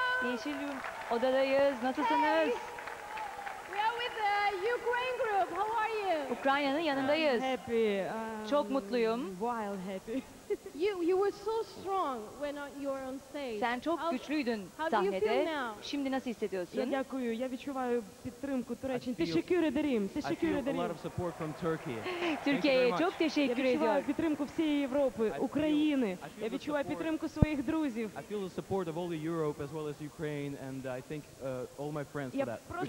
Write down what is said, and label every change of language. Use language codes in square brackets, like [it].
[tr] Yeşil odadayız. Nasılsınız? [en] Hey. We are with the Ukraine group. How are you? [tr] Ukrayna'nın yanındayız. [en] I'm happy. [tr] Çok mutluyum. [en] Wild happy. You were so strong when you were on stage. [tr] Sen çok güçlüydün sahnede. Şimdi nasıl hissediyorsun? [uk] Дякую. Я відчуваю підтримку Туреччини. [tr] Teşekkür ederim. Teşekkür ederim. [en] I feel a lot of support from Turkey. [tr] Türkiye'ye çok teşekkür ediyorum. [uk] Я відчуваю підтримку всієї Європи, України. Я відчуваю підтримку своїх друзів. [en] I feel the support of all of Europe as well as Ukraine and I thank all my friends for that.